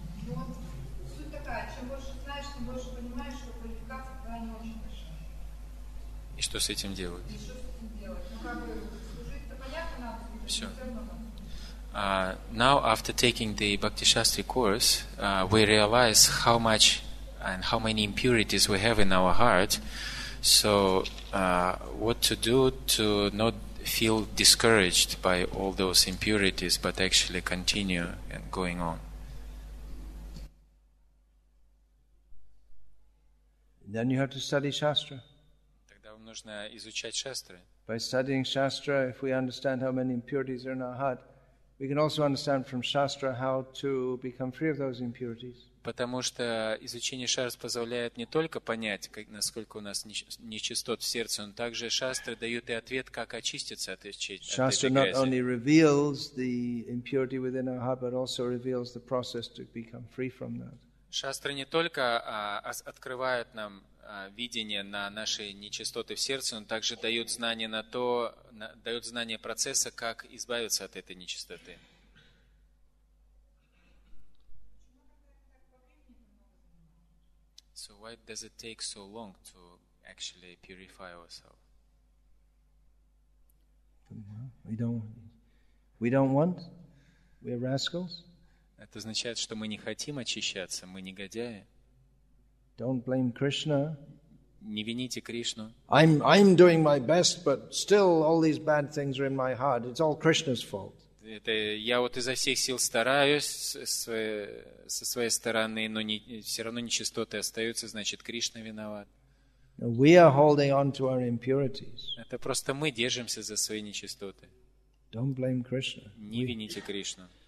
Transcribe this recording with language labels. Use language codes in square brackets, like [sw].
[ru] Суть такая, чем больше знаешь, тем больше понимаешь, что квалификация твоя не очень большая. И что с этим делать? И что с этим делать? Ну как бы служить-то понятно надо, служить все равно. [en] Now after taking the Bhakti-Shastri course, we realize how much and how many impurities we have in our heart. So what to do to not feel discouraged by all those impurities, but actually continue and going on. Then you have to study Shastra. [ru] Тогда вам нужно изучать шастры. [en] By studying Shastra, if we understand how many impurities are in our heart, we can also understand from Shastra how to become free of those impurities. [ru] Потому что изучение шастр позволяет не только понять, как, насколько у нас нечистот в сердце, но также шастры дают и ответ, как очиститься от этой грязи. [en] Shastra not only reveals the impurity within our heart, but also reveals the process to become free from that. [ru] Шастры не только открывают нам видение на наши нечистоты в сердце, но также дают знание на то, дают знание процесса, как избавиться от этой нечистоты. [en] So why does it take so long to actually purify ourselves? We don't want. We're rascals. [ru] Это означает, что мы не хотим очищаться, мы негодяи. [en] Don't blame Krishna. [ru] Не вините Кришну. [en] I'm doing my best, but still all these bad things are in my heart. It's all Krishna's fault. [ru] Это я вот изо всех сил стараюсь со своей стороны, но не, все равно нечистоты остаются, значит, Кришна виноват. [en] We are holding on to our impurities. [ru] Это просто мы держимся за свои нечистоты. [en] Don't blame Krishna. [ru] Не вините Кришну.